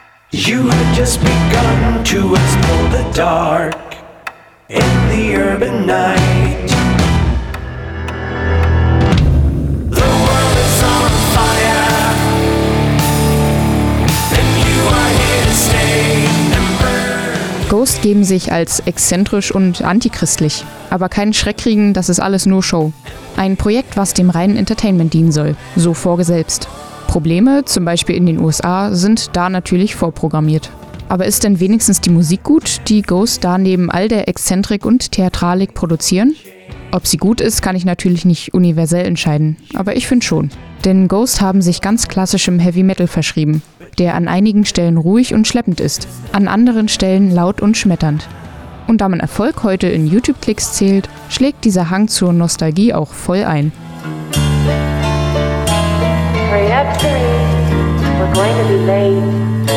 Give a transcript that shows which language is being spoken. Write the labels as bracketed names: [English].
[English] You have just begun to explore the dark in the urban night. The world is on fire, and you are here to stay and burn. [German] Ghost geben sich als exzentrisch und antichristlich, aber keinen Schreck kriegen, das ist alles nur Show. Ein Projekt, was dem reinen Entertainment dienen soll, so Forge selbst. Probleme, zum Beispiel in den USA, sind da natürlich vorprogrammiert. Aber ist denn wenigstens die Musik gut, die Ghost da neben all der Exzentrik und Theatralik produzieren? Ob sie gut ist, kann ich natürlich nicht universell entscheiden, aber ich finde schon. Denn Ghost haben sich ganz klassischem Heavy Metal verschrieben, der an einigen Stellen ruhig und schleppend ist, an anderen Stellen laut und schmetternd. Und da man Erfolg heute in YouTube-Klicks zählt, schlägt dieser Hang zur Nostalgie auch voll ein. [English] Hurry up, we're going to be late.